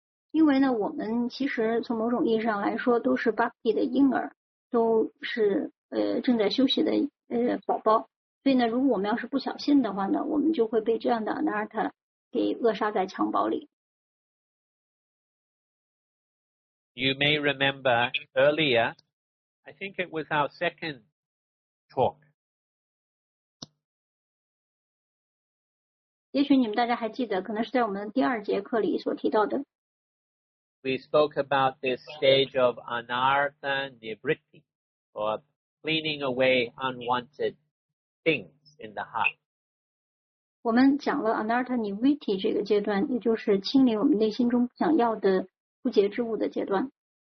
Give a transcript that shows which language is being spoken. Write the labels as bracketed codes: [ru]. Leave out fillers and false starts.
[zh] 因为呢，我们其实从某种意义上来说都是 Bhakti 的婴儿，都是正在休息的宝宝，所以呢如果我们要是不小心的话呢，我们就会被这样的 Anatta 给扼杀在襁褓里。 [en] You may remember earlier, I think it was our second talk. [zh] 也许你们大家还记得，可能是在我们第二节课里所提到的。 [en] We spoke about this stage of anartha nivritti, or cleaning away unwanted things in the heart. [zh] 我们讲了 anartha nivritti 这个阶段，也就是清理我们内心中不想要的不洁之物的阶段。